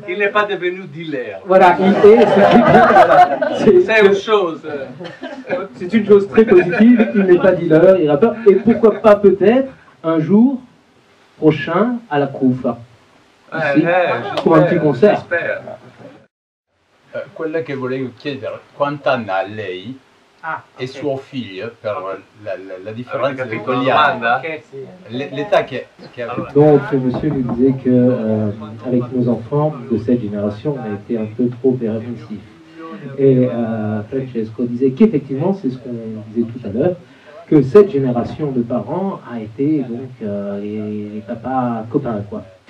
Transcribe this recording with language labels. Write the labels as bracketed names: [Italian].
[French] Il n'est pas devenu dealer. Voilà, il est... C'est une chose. C'est une chose très positive, il n'est pas dealer, il est rappeur. Et pourquoi pas peut-être un jour prochain à la Koufa. Pour un petit concert. J'espère. [Italian] Quello che volevo chiedere, quant'anni ha lei e suo figlio per la differenza di quegli anni? L'età che [French] Donc, monsieur nous disait que avec nos enfants de cette génération, on a été un peu trop permissif. Et Francesco disait qu'effectivement, c'est ce qu'on disait tout à l'heure, que cette génération de parents a été donc les papas copains, quoi.